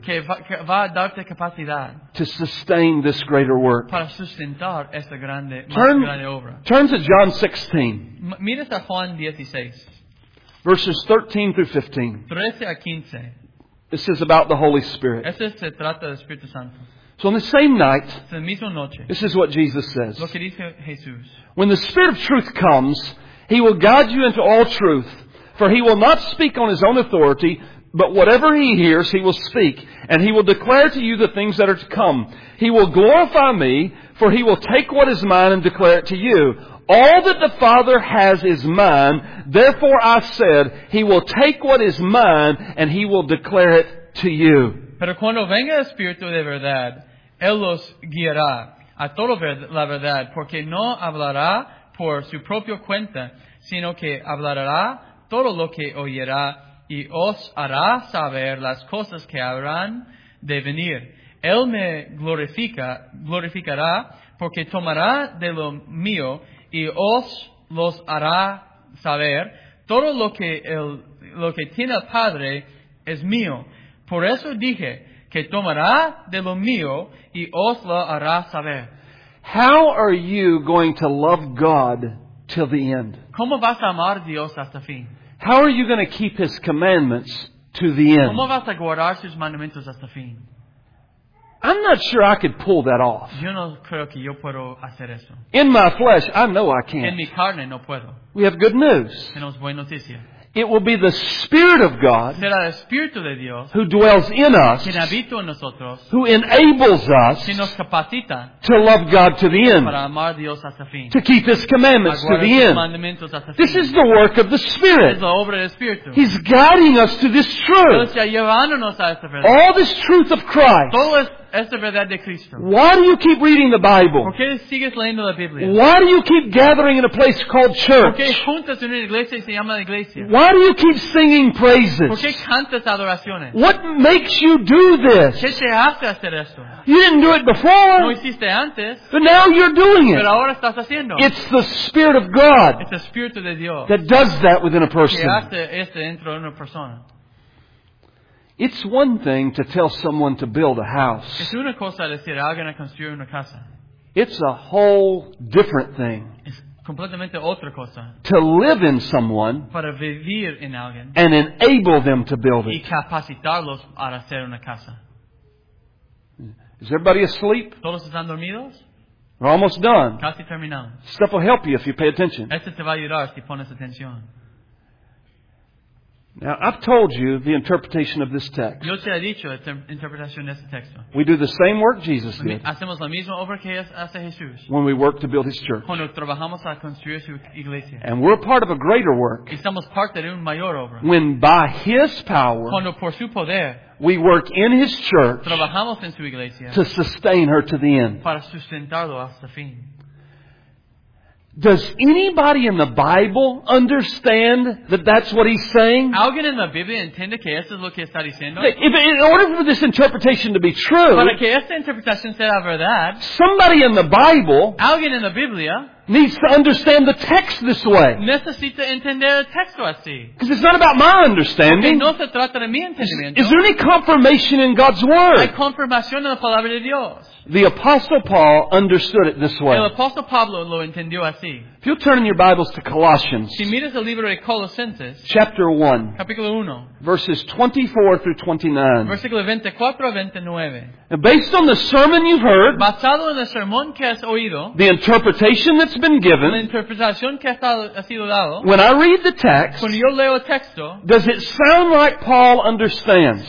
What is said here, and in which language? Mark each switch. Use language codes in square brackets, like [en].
[es] Que va a darte capacidad. [en] To sustain this greater work. [es] Para sustentar esta grande, grande obra. [en] Turn to John 16. [es] Mira a Juan 16. [en] Verses 13 through 15. [es] 13 a 15. [en] This is about the Holy Spirit. [es] Este se trata del Espíritu Santo. [en] So on the same night, [es] la misma noche, [en] this is what Jesus says. [es] Lo que dice Jesús. [en] When the Spirit of truth comes, He will guide you into all truth. For He will not speak on His own authority, but whatever He hears, He will speak. And He will declare to you the things that are to come. He will glorify Me, for He will take what is Mine and declare it to you. All that the Father has is Mine. Therefore I said, He will take what is Mine and He will declare it to you. [es] Pero cuando venga el Espíritu de verdad, Él los guiará a toda la verdad, porque no hablará por su propia cuenta, sino que hablará todo lo que oyerá y os hará saber las cosas que habrán de venir. Él me glorificará porque tomará de lo mío y os los hará saber. Todo lo que tiene el Padre es mío. Por eso dije que tomará de lo mío y os lo hará saber. [en] How are you going to love God till the end? [es] ¿Cómo vas a amar a Dios hasta fin? [en] How are you going to keep His commandments to the end? [es] ¿Cómo vas a guardar sus mandamientos hasta fin? [en] I'm not sure I could pull that off. [es] Yo no creo que yo puedo hacer eso. [en] In my flesh, I know I can't. [es] En mi carne no puedo. [en] We have good news. [es] Tenemos buena noticia. [en] It will be the Spirit of God [es] será el Espíritu de Dios [en] who dwells in us, [es] quien habita en nosotros, [en] who enables us [es] quien nos capacita [en] to love God to the end, [es] para amar Dios hasta fin, [en] to keep His commandments [es] para guardar [en] to the [es] sus [en] end. [es] Mandamientos hasta fin. [en] This is the work of the Spirit. [es] Es la obra del Espíritu. [en] He's guiding us to this truth. [es] Dios está llevándonos a esta verdad. [en] All this truth of Christ. [es] Todo esta verdad de Cristo. [en] Why do you keep reading the Bible? [es] ¿Por qué sigues leyendo la Biblia? [en] Why do you keep gathering in a place called church? [es] ¿Por qué juntas en una iglesia y se llama la iglesia? [en] Why do you keep singing praises? [es] ¿Por qué cantas adoraciones? [en] What makes you do this? [es] ¿Qué te hace hacer esto? [en] You didn't do it before. [es] No hiciste antes. [en] But now you're doing it. [es] Pero ahora estás haciendo. [en] It's the Spirit of God. [es] Es el Espíritu de Dios. [en] That does that within a person. [es] Que hace esto dentro de una persona. [en] It's one thing to tell someone to build a house. [es] Es una cosa decir a alguien a construir una casa. [en] It's a whole different thing. [es] Es completamente otra cosa. [en] To live in someone. [es] Para vivir en alguien. [en] And enable them to build it. [es] Y capacitarlos para hacer una casa. [en] Is everybody asleep? [es] ¿Todos están dormidos? [en] We're almost done. [es] Casi terminamos. [en] Stuff will help you if you pay attention. [es] Esto te va a ayudar si pones atención. [en] Now, I've told you the interpretation of this text. [es] Yo te he dicho la interpretación de este texto. [en] We do the same work Jesus did. [es] Hacemos la misma obra que hace Jesús. [en] When we work to build His church. [es] Cuando trabajamos a construir su iglesia. [en] And we're part of a greater work. [es] Y somos parte de un mayor obra. [en] When by His power. [es] Cuando por su poder. [en] We work in His church. [es] Trabajamos en su iglesia. [en] To sustain her to the end. [es] Para sustentarlo hasta fin. [en] Does anybody in the Bible understand that that's what he's saying? [es] ¿Alguien en la Biblia entiende que esto es lo que está diciendo? [en] In order for this interpretation to be true, [es] para que esta interpretación sea verdad, [en] somebody in the Bible, [es] alguien en la Biblia, [en] needs to understand the text this way. [es] Necesita entender el texto así. [en] Because it's not about my understanding. [es] Porque no se trata de mi entendimiento. [en] Is there any confirmation in God's Word? [es] Hay confirmación en la palabra de Dios. [en] The Apostle Paul understood it this way. [es] El Apostle Pablo lo entendió así. [en] If you'll turn in your Bibles to Colossians. [es] Si miras el libro de Colosenses. [en] Chapter 1. [es] Capítulo 1. [en] Verses 24 through 29. [es] Versículo 24 a 29. [en] And based on the sermon you've heard, [es] basado en el sermón que has oído, [en] the interpretation that's been given, [es] la interpretación que ha sido dado, [en] when I read the text, [es] cuando yo leo el texto, [en] does it sound like Paul understands?